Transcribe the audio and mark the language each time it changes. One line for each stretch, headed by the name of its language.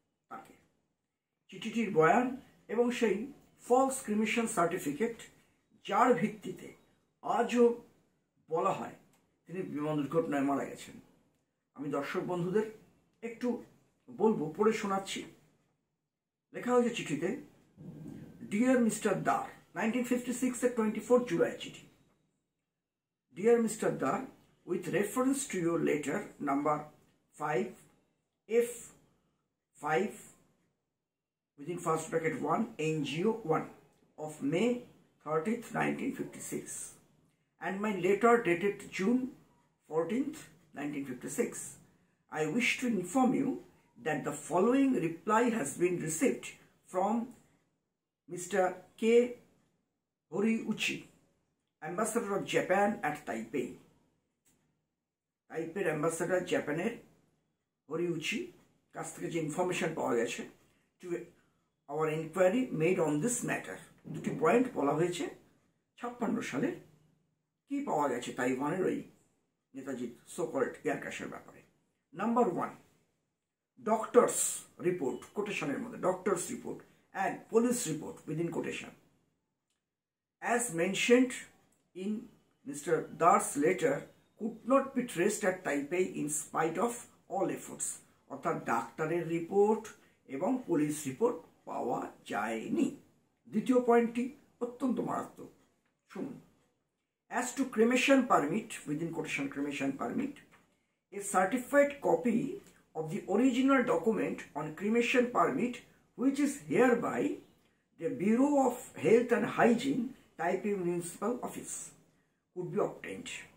Bangla: তাকে চিঠিটির বয়ান এবং সেই ফলস ক্রিমিশন সার্টিফিকেট, যার ভিত্তিতে আজও বলা হয় তিনি বিমান দুর্ঘটনায় মারা গেছেন। আমি দর্শক বন্ধুদের একটু বলবো, পড়ে শোনাচ্ছি। লেখা হয়েছে চিঠিতে,
English: dear mister Dar,
Bangla: 1956 এর 24 জুলাই চিঠি।
English: Dear Mr. Dar, with reference to your letter number 5F5(1NGO1) of May 30th, 1956, and my letter dated June 14th, 1956, I wish to inform you that the following reply has been received from Mr. K. Horiuchi, ambassador of Japan at Taipei.
Bangla: তাইপের ambassador জাপানের হরিউচি কাছ থেকে যে information পাওয়া গেছে,
English: to our inquiry made on this matter,
Bangla: দুটি point বলা হয়েছে। 56 সালে কি পাওয়া গেছে তাইওয়ানের ওই নেতাজির সোকল্ড এয়ারক্র্যাশের ব্যাপারে?
English: number one, doctors report,
Bangla: কোটেশনের মধ্যে
English: Doctors report, and police report within quotation, as mentioned in Mr. Dar's letter, could not be traced at Taipei in spite of all efforts.
Bangla: অর্থাৎ ডাক্তারের রিপোর্ট এবং পুলিশ রিপোর্ট পাওয়া যায়নি। দ্বিতীয় পয়েন্টটি অত্যন্ত মারাত্মক, শুনুন।
English: As to cremation permit, within quotation cremation permit, a certified copy of the original document on cremation permit, which is hereby the Bureau of Health and Hygiene, Taipei Municipal Office, could be obtained.